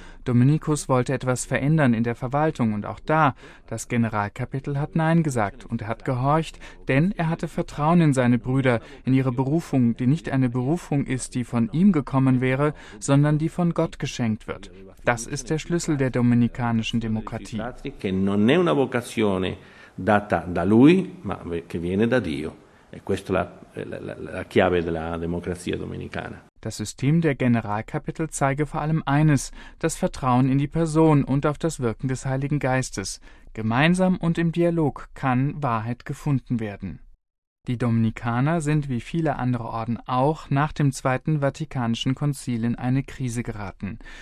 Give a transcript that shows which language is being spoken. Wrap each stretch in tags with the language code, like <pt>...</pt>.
<de>Dominikus wollte etwas verändern in der Verwaltung und auch da, das Generalkapitel hat Nein gesagt und er hat gehorcht, denn er hatte Vertrauen in seine Brüder, in ihre Berufung, die nicht eine Berufung ist, die von ihm gekommen wäre, sondern die von Gott geschenkt wird. Das ist der Schlüssel der dominikanischen Demokratie.</de> <it>Non è una vocazione data da lui, ma che viene da Dio. E questa la chiave della democrazia dominicana.</it> <de>Das System der Generalkapitel zeige vor allem eines, das Vertrauen in die Person und auf das Wirken des Heiligen Geistes. Gemeinsam und im Dialog kann Wahrheit gefunden werden. Die Dominikaner sind wie viele andere Orden auch nach dem Zweiten Vatikanischen Konzil in eine Krise geraten.</de>